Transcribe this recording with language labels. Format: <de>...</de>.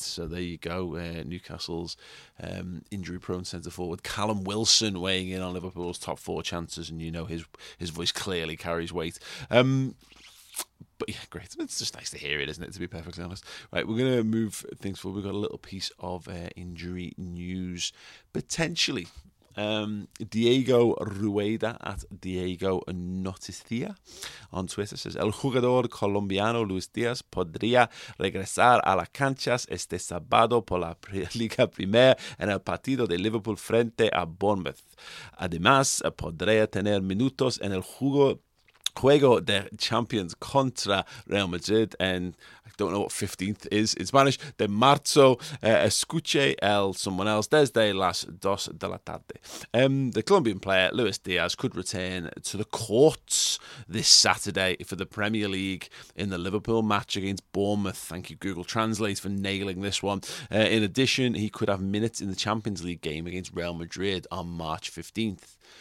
<en>So there you go, Newcastle's injury-prone centre-forward Callum Wilson weighing in on Liverpool's top four chances, and you know his voice clearly carries weight. But yeah, great. It's just nice to hear it, isn't it, to be perfectly honest? Right, we're going to move things forward. We've got a little piece of injury news, potentially. Diego Rueda at Diego Noticia on Twitter says,</en> <es>"El jugador colombiano Luis Díaz podría regresar a las canchas este sábado por la Liga Primera en el partido de Liverpool frente a Bournemouth. Además, podría tener minutos en el juego de Champions contra Real Madrid en..."</es> <en>Don't know what 15th is in Spanish.</en> <es>"De marzo, escuche el</es> <en>someone else</en> <es>desde las dos de la tarde."</es> <en>The Colombian player, Luis Diaz, could return to the courts this Saturday for the Premier League in the Liverpool match against Bournemouth. Thank you, Google Translate, for nailing this one. In addition, he could have minutes in the Champions League game against Real Madrid on March 15th.</en>